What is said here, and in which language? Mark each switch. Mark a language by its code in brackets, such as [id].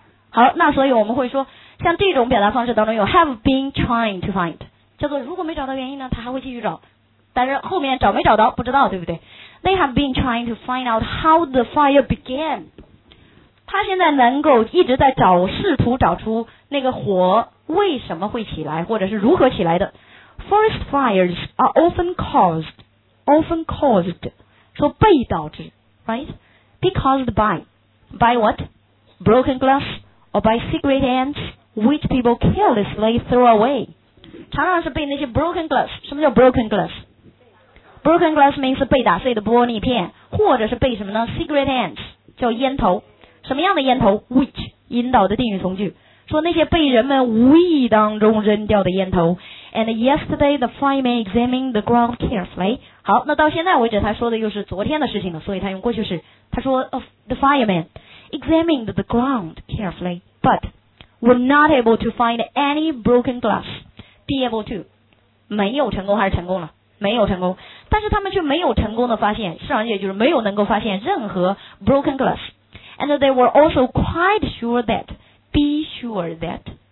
[zh] 好，那所以我们会说，像这种表达方式当中有 [en] have been trying to find， [zh] 叫做如果没找到原因呢，他还会继续找，但是后面找没找到不知道，对不对 ？ [en] They have been trying to find out how the fire began。 [zh] 他现在能够一直在找，试图找出那个火为什么会起来，或者是如何起来的。 [en] Forest fires are often caused, [zh] 说被导致 [en] ，right? Be caused by what? Broken glass or by cigarette ends which people carelessly throw away. [zh] 常常是被那些 [en] broken glass. [zh] 什么叫 broken glass? [en] Broken glass means [zh] 被打碎的玻璃片，或者是被什么呢 ？ [en] Cigarette ends [zh] 叫烟头。什么样的烟头 ？Which 引导的定语从句。说那些被人们无意当中扔掉的烟头。 [en] And yesterday the fireman examined the ground carefully. [zh] 好，那到现在为止他说的又是昨天的事情了，所以他用过去式。他说 [en] the fireman examined the ground carefully, but were not able to find any broken glass. Be able to [zh] 没有成功还是成功了？没有成功，但是他们却没有成功的发现，实际上也就是没有能够发现任何 broken glass. [en] And they were also quite sure that, be sure that.